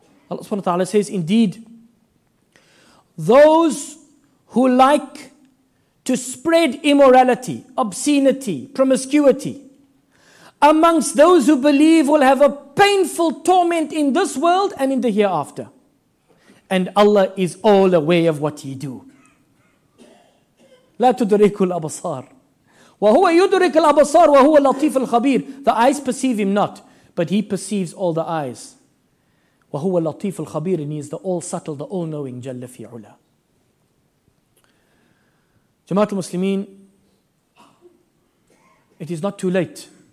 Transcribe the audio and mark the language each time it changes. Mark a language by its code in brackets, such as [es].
[en] Allah subhanahu wa ta'ala says, indeed, those who like to spread immorality, obscenity, promiscuity amongst those who believe will have a painful torment in this world and in the hereafter. And Allah is all aware of what ye do. [ar] لا تدرك الأبصار وهو يدرك الأبصار وهو لطيف الخبير. [en] The eyes perceive him not, but he perceives all the eyes. [ar] وَهُوَ لَطِيفُ الْخَبِيرِ. [en] And he is the all-subtle, the all-knowing, [ar] جَلَّ فِي عُلَى. [en] Jamaatul Muslimin, it is not too late.